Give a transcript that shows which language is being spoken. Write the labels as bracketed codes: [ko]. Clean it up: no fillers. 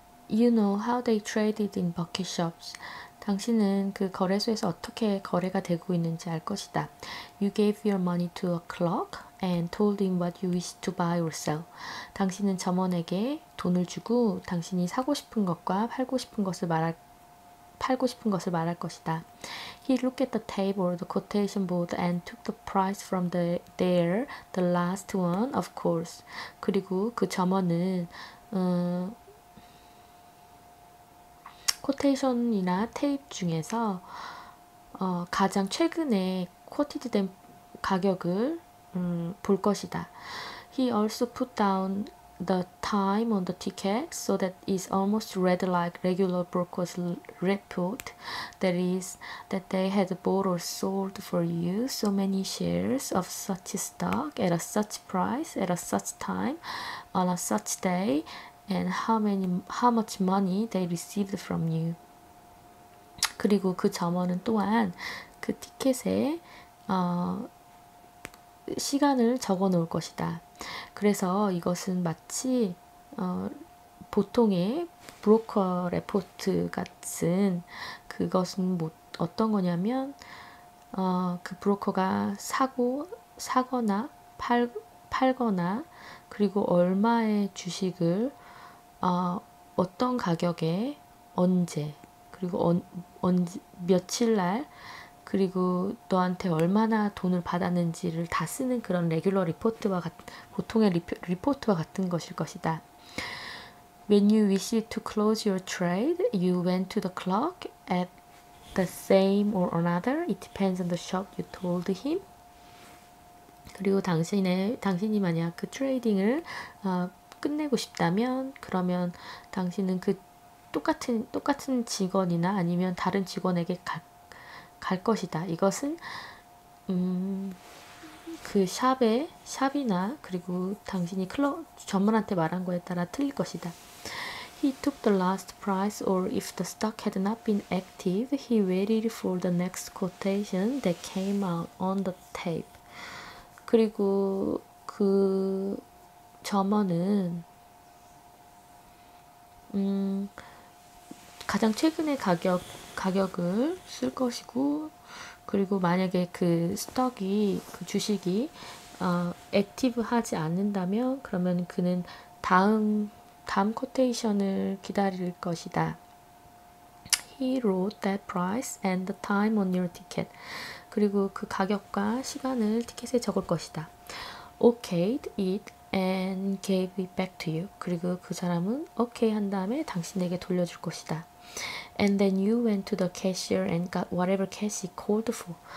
[en] You know how they traded in bucket shops. [ko] 당신은 그 거래소에서 어떻게 거래가 되고 있는지 알 것이다. [en] You gave your money to a clerk and told him what you wished to buy or sell. [ko] 당신은 점원에게 돈을 주고 당신이 사고 싶은 것과 팔고 싶은 것을 팔고 싶은 것을 말할 것이다. [en] He looked at the table, the quotation board, and took the price from there, the last one, of course. [ko] 그리고 그 점원은 코테이션이나 테이프 중에서 가장 최근에 코티드 된 가격을 볼 것이다. [en] He also put down the time on the ticket so that it's almost read like regular broker's report. That is, that they had bought or sold for you so many shares of such stock at a such price, at a such time, on a such day, and how much money they received from you. [ko] 그리고 그 점원은 또한 그 티켓에 시간을 적어 놓을 것이다. 그래서 이것은 마치 보통의 브로커 레포트 같은 그것은 뭐 어떤 거냐면 그 브로커가 사거나 팔거나 그리고 얼마의 주식을 어떤 가격에 언제 그리고 며칠 날 그리고 너한테 얼마나 돈을 받았는지를 다 쓰는 그런 레귤러 리포트와 보통의 리포트와 같은 것일 것이다. [en] When you wish to close your trade, you went to the clock at the same or another. It depends on the shop you told him. [ko] 그리고 당신이 만약 그 트레이딩을 끝내고 싶다면 그러면 당신은 그 똑같은 직원이나 아니면 다른 직원에게 갈 것이다. 이것은 그 샵이나 그리고 당신이 전문한테 말한 거에 따라 틀릴 것이다. [en] He took the last price or if the stock had not been active, he waited for the next quotation that came out on the tape. [ko] 그리고 그 점원은 가장 최근의 가격을 쓸 것이고 그리고 만약에 그 스톡이 그 주식이 액티브하지 않는다면 그러면 그는 다음 코테이션을 기다릴 것이다. [en] He wrote that price and the time on your ticket. [ko] 그리고 그 가격과 시간을 티켓에 적을 것이다. [en] Okayed it and gave it back to you. [ko] 그리고 그 사람은 okay 한 다음에 당신에게 돌려줄 것이다. [en] And then you went to the cashier and got whatever cash he called for.